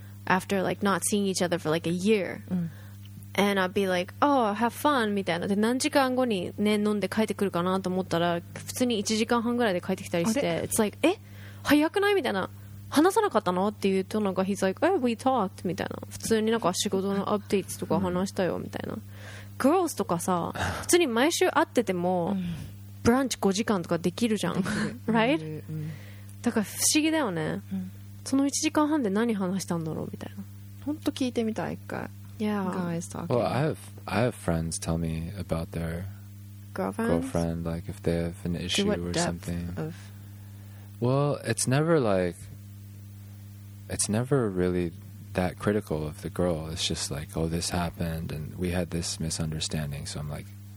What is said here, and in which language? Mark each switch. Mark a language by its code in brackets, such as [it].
[en] after like not seeing each other for like a year、 mm-hmm. and I'd be like, oh, have fun [ja] みたいな。で、何時間後にね、飲んで帰ってくるかなと思ったら、普通に1時間半ぐらいで帰ってきたりして、 [en] It's like, [ja] え、早くないみたいな。話さなかったのって言うと、なんか [en] He's like, oh, we talked [ja] みたいな。普通になんか仕事のアップデートとか話したよみたいな。 Girls とかさ、普通に毎週会ってても、mm-hmm. ブランチ5時間とかできるじゃん right? だから不思議だよね、うん、その1時間半で何話したんだろうみたいな。本当聞いてみたい一回。 [en] Yeah. Guys talking. Well, I have friends tell me about their girlfriend, like if they have an issue or depth something of... Well, it's never like, it's never really that critical of the girl. It's just like, oh, this happened and we had this misunderstanding, so I'm like